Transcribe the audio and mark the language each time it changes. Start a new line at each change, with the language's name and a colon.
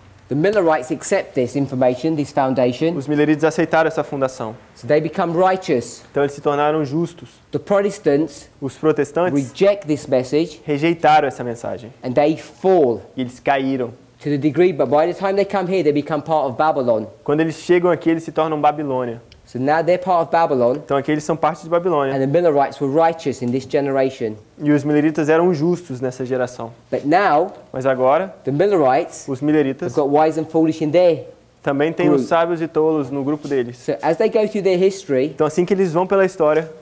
English: The Millerites accept this information, this foundation.
Portuguese: Os Millerites aceitaram essa fundação.
English: So they become righteous.
Portuguese: Então eles se tornaram justos.
English: The Protestants,
Portuguese: os protestantes,
English: reject this message.
Portuguese: Rejeitaram essa mensagem.
English: And they fall.
Portuguese: E eles caíram.
English: To the degree, but by the time they come here, they become part of Babylon.
Portuguese: Quando eles chegam aqui, eles se tornam Babilônia.
English: So now they're part of Babylon.
Portuguese: Então aqui eles são parte de Babilônia.
English: And the Millerites were righteous in this generation.
Portuguese: E os Milleritas eram justos nessa geração.
English: But now,
Portuguese: mas agora,
English: the Millerites,
Portuguese: os Milleritas,
English: have got wise and foolish in their
Portuguese: também tem
English: group.
Portuguese: Os sábios e tolos no grupo deles.
English: So as they go through their history,
Portuguese: então assim que eles vão pela história,